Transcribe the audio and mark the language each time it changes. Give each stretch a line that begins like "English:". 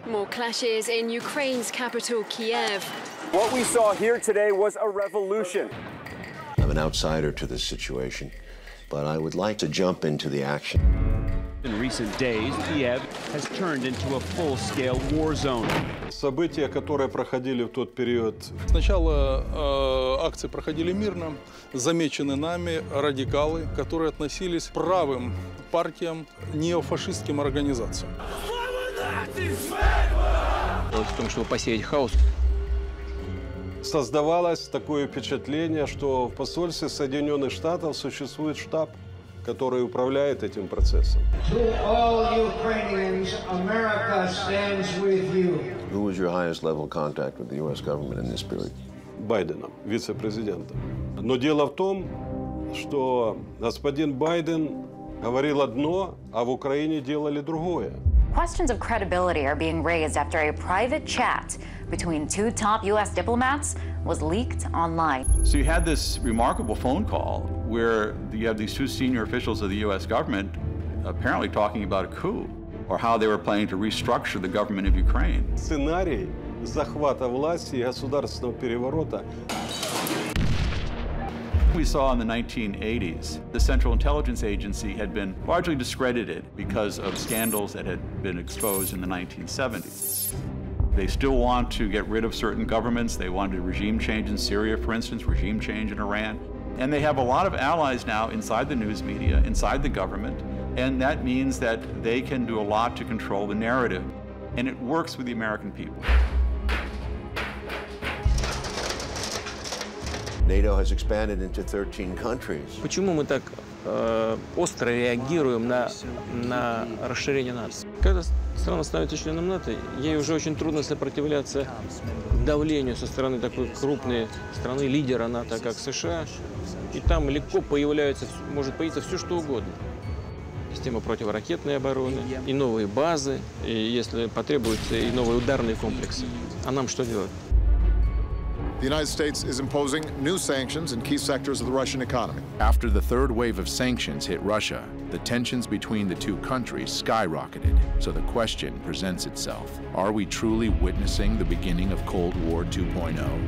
English: Clashes in Ukraine's capital, Kiev. What we saw here today was a revolution. I'm an outsider to this situation, but I would like to jump into the action. In recent days, Kiev has turned into a full-scale war zone.
Russian: События, которые проходили в тот период, сначала акции проходили мирно, замечены нами радикалы, которые относились к правым партиям, неофашистским организациям. В том, чтобы посеять хаос. Создавалось такое впечатление, что в посольстве Соединенных Штатов существует штаб, который управляет этим процессом.
English: To all Ukrainians, America stands with you. Who was your highest level contact with the US government in this period?
Russian: Байденом, вице-президентом. Но дело в том, что господин Байден говорил одно, а в Украине делали другое.
English: Questions of credibility are being raised after a private chat between two top U.S. diplomats was leaked online. So you had this remarkable phone call where you have these two senior officials of the U.S. government apparently talking about a coup or how they were planning to restructure the government of Ukraine.
Russian: Сценарий захвата власти и государственного переворота.
English: We saw in the 1980s, the Central Intelligence Agency had been largely discredited because of scandals that had been exposed in the 1970s. They still want to get rid of certain governments. They wanted regime change in Syria, for instance, regime change in Iran. And they have a lot of allies now inside the news media, inside the government. And that means that they can do a lot to control the narrative. And it works with the American people. NATO has expanded into 13 countries.
Russian: Почему мы так остро реагируем на расширение НАТО? Когда страна становится членом НАТО, ей уже очень трудно сопротивляться давлению со стороны такой крупной страны, лидера НАТО, как США. И там легко появляется, может появиться все, что угодно. Система противоракетной обороны, и новые базы, и если потребуется, и новые ударные комплексы. А нам что делать?
English: The United States is imposing new sanctions in key sectors of the Russian economy. After the third wave of sanctions hit Russia, the tensions between the two countries skyrocketed. So the question presents itself, are we truly witnessing the beginning of Cold War 2.0?